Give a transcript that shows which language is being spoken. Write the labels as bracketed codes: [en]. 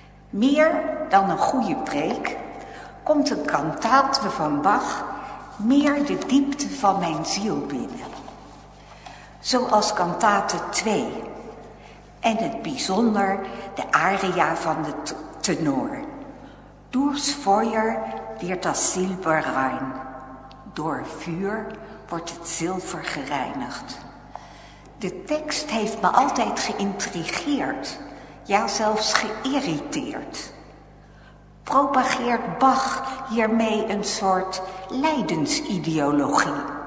[nl] Meer dan een goede preek komt een cantate van Bach meer de diepte van mijn ziel binnen. Zoals cantate 2. en het bijzonder de aria van de tenor. [de] Durchs Feuer wird das Silber rein. [nl] Door vuur wordt het zilver gereinigd. De tekst heeft me altijd geïntrigeerd, ja zelfs geïrriteerd. Propageert Bach hiermee een soort lijdensideologie?